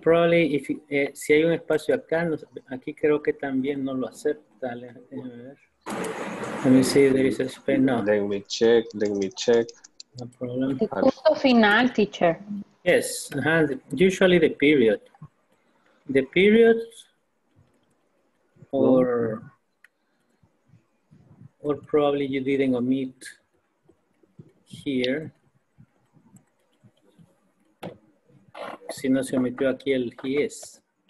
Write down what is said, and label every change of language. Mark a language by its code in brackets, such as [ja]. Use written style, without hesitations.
[en] Probably if [es] si hay un espacio acá, aquí creo que también no lo acepta. [en] Let me see if there is a space. No. Let me check. No problem. [es] El punto final, teacher. [en] Yes, usually the period. The period or probably you didn't omit here. [es] Si no se omitió aquí el [en] he is.